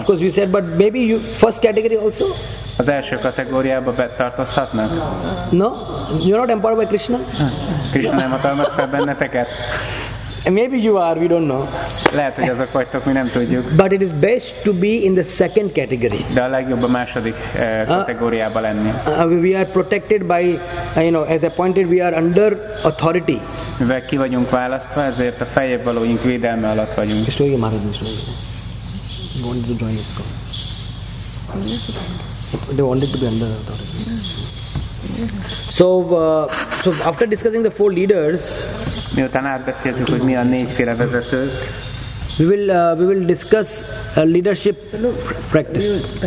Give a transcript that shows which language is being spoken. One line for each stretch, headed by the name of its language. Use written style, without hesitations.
English: Of course, you said, but maybe you first category also.
Hungarian: Az első kategóriába betartozhatnak?
English: No, you're not empowered by Krishna.
Hungarian: Krishna nem hatalmaz fel benneteket.
English: Maybe you are, we don't know.
Hungarian: Lehet, hogy azok vagytok, mi nem tudjuk.
English: But it is best to be in the second category.
Hungarian: De a legjobb a második kategóriába lenni.
English: We are protected by, you know, as appointed, we are under authority.
Hungarian: Mivel ki vagyunk választva, ezért a feljebb valóink védelme alatt vagyunk. És olyan már az is
English: wanted to join They wanted to be under authority. So after discussing the four leaders,
Hungarian: miután átbeszéltük, hogy mi a négyféle vezető,
English: we will discuss a leadership practice.